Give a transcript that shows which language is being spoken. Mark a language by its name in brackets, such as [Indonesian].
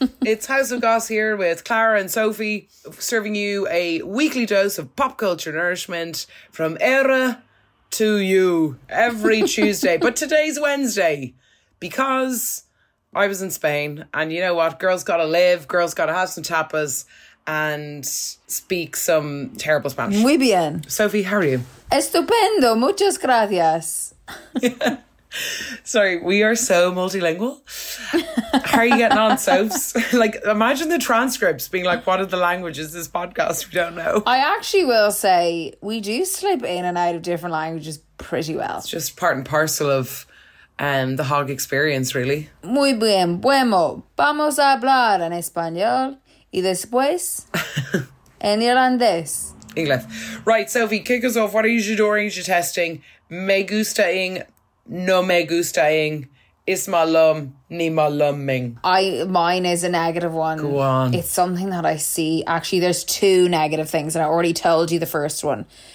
[English] It's House of Goss here with Clara and Sophie, serving you a weekly dose of pop culture nourishment from era to you every Tuesday. But today's Wednesday, because I was in Spain, and you know what? Girls gotta live, girls gotta have some tapas and speak some terrible Spanish. [Spanish] Muy bien. [English] Sophie, how are you? [Spanish] Estupendo, muchas gracias. [English] Sorry, we are so multilingual. How are you getting on, Sophs? Like, imagine the transcripts being like, what are the languages this podcast? We don't know. I actually will say, we do slip in and out of different languages pretty well. It's just part and parcel of the hog experience, really. [Spanish] Muy bien, bueno. Vamos a hablar en español y después en irlandés. [English] English. Right, Sophie, kick us off. What are you adoring? You testing? Me gustaing, no me gustaing. Is my lum, ni my lumming. Mine is a negative one. Go on. It's something that I see. Actually, there's two negative things, and I already told you the first one.